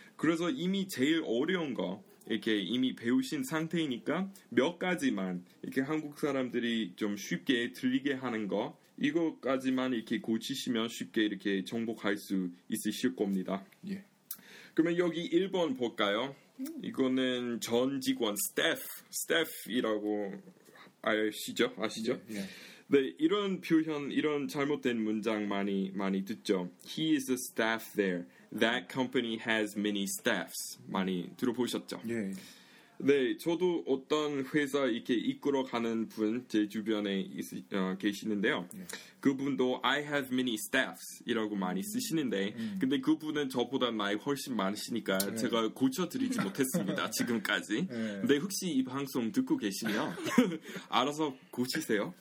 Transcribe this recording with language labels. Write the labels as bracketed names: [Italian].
[Korean] 그래서 이미 제일 어려운 거 이렇게 이미 배우신 상태이니까 몇 가지만 이렇게 한국 사람들이 좀 쉽게 들리게 하는 거 이것까지만 이렇게 고치시면 쉽게 이렇게 정복할 수 있으실 겁니다. 예. 그러면 여기 1번 볼까요? 이거는 전 직원 스태프이라고 아시죠? 아시죠? 예, 예. 네, 이런 표현, 이런 잘못된 문장 많이 듣죠. [English] He is a staff there. That company has many staffs. [Korean] 많이 들어보셨죠? 예. 네, 저도 어떤 회사 이렇게 이끌어 가는 분 제 주변에 계시는데요. 그분도 [English] I have many staffs [Korean] 이라고 많이 쓰시는데 근데 그분은 저보다 나이 훨씬 많으시니까 네. 제가 고쳐드리지 못했습니다. 지금까지. 네. 근데 혹시 이 방송 듣고 계시면 알아서 고치세요.